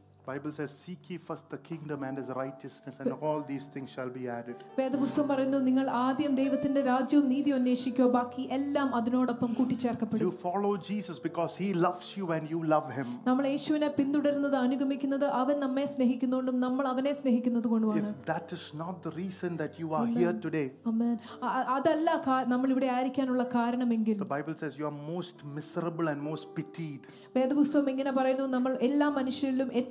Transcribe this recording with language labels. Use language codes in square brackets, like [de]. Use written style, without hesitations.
[en] Bible says seek ye first the kingdom and his righteousness and all these things shall be added. [ml] വേദപുസ്തകം പറയുന്നു നിങ്ങൾ ആദ്യം ദൈവത്തിന്റെ രാജ്യവും നീതിയും അന്വേഷിക്കുക ബാക്കി എല്ലാം അതിനോടൊപ്പം കൂട്ടിച്ചേർക്കപ്പെടും. [en] You follow Jesus because he loves you and you love him. [ml] നമ്മൾ യേശുവിനെ പിന്തുടരുന്നത് അനുഗമിക്കുന്നത് അവൻ നമ്മെ സ്നേഹിക്കുന്നതുകൊണ്ടും നമ്മൾ അവനെ സ്നേഹിക്കുന്നതുകൊണ്ടുമാണ്. [en] If that is not the reason that you are here today. Amen. [ml] അതല്ല നമ്മൾ ഇവിടെ ആയിരിക്കാനുള്ള കാരണമെങ്കിൽ. [en] The Bible says you are most miserable and most pitied. [ml] വേദപുസ്തകം ഇങ്ങനെ പറയുന്നു നമ്മൾ എല്ലാ മനുഷ്യരിലും